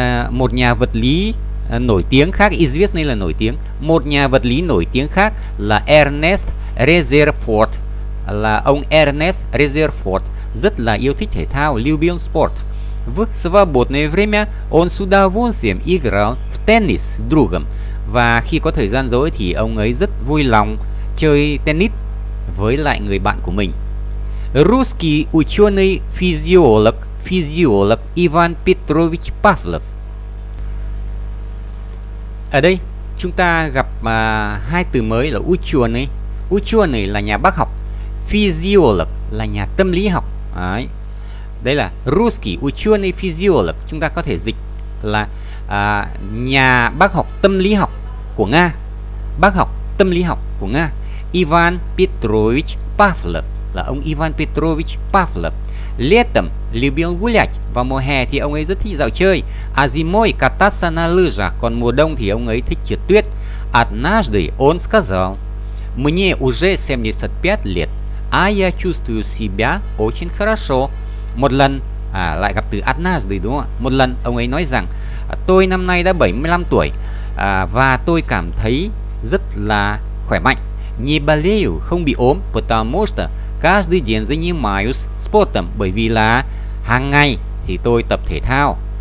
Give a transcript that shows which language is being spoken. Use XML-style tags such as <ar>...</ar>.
<vi>Một nhà vật lý nổi tiếng khác, известный là nổi tiếng. Một nhà vật lý nổi tiếng khác là Эрнест Резерфорд, là ông Эрнест Резерфорд rất là yêu thích thể thao,</vi> <ru>любил спорт. В свободное время он с удовольствием играл в теннис с другом.</ru> <vi>Và khi có thời gian rỗi thì ông ấy rất vui lòng chơi tennis với lại người bạn của mình.</vi> <ru>Русский ученый физиолог Иван Петрович Павлов.</ru> <vi>Ở đây chúng ta gặp hai từ mới là ученый. Ученый là nhà bác học, физиолог là nhà tâm lý học. Đấy. Đây là</vi> <ru>русский ученый физиолог,</ru> <vi>chúng ta có thể dịch là nhà bác học tâm lý học của Nga. Bác học tâm lý học của Nga. Иван Петрович Павлов, là ông Иван Петрович Павлов.</vi> <ru>Летом любил гулять,</ru> <vi>vào mùa hè thì ông ấy rất thích dạo chơi.</vi> <ru>А зимой кататься на лыжах,</ru> <vi>còn mùa đông thì ông ấy thích trượt tuyết. Однажды он сказал: "Мне уже 75 лет, а я чувствую себя очень хорошо". Một lần, lại gặp từ однажды, đúng không ạ? Một lần ông ấy nói rằng: "Tôi năm nay đã 75 tuổi và tôi cảm thấy rất là khỏe mạnh".</vi> <ru>Не болею,</ru> <vi>không bị ốm,</vi> <ru>потому что каждый день занимаюсь спортом,</ru> <vi>bởi vì là hàng ngày thì tôi tập thể thao.</vi>